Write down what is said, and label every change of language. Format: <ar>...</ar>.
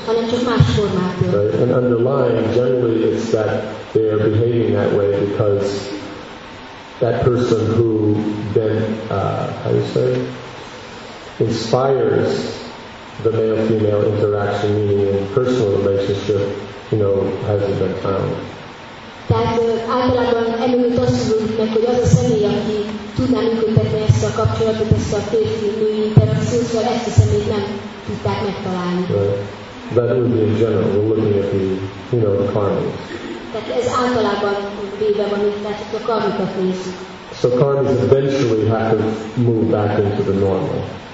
<en>Right? And underlying, generally, it's that they are behaving that way because that person who then, how do you say, inspires the male-female interaction, meaning in personal relationship, you know, hasn't been found.</en> <hu>Tehát általában előtt azt tudjuk meg, hogy az a személy, aki tudná működtetni ezt a kapcsolatot, ezt a férfi-női interakciót, szóval ezt a személyt nem tudták megtalálni.</hu> <en>That would be in general, we're looking at the, you know, the karmas.</en> <hu>Tehát ez általában véve van, tehát a karmikat nézzük.</hu> <en>So karmas eventually have to move back into the normal.</en>